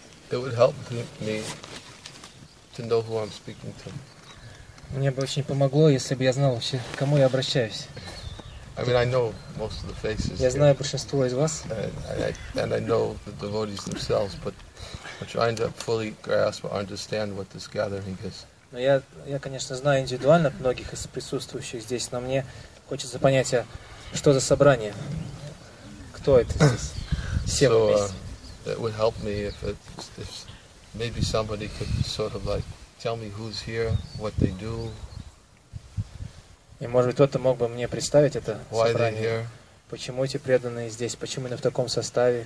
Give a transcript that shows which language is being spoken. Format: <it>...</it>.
<en>It would help me to know who I'm speaking to.</en> <ru>Мне бы очень помогло, если бы я знал вообще, к кому я обращаюсь.</ru> <en>I mean, I know most of the faces.</en> <ru>Я знаю большинство из вас.</ru> <en>And I know the devotees themselves, but I'm trying to fully grasp or understand what this gathering is.</en> <ru>Но я, конечно, знаю индивидуально многих из присутствующих здесь, но мне хочется понять, что за собрание, кто это здесь, все вместе.</ru> <en>It would help me if maybe somebody could sort of like tell me who's here, what they do.</en> <ru>И может быть кто-то мог бы мне представить это собрание.</ru> <en>Why they're here?</en> <ru>Почему эти преданные здесь? Почему именно в таком составе?</ru>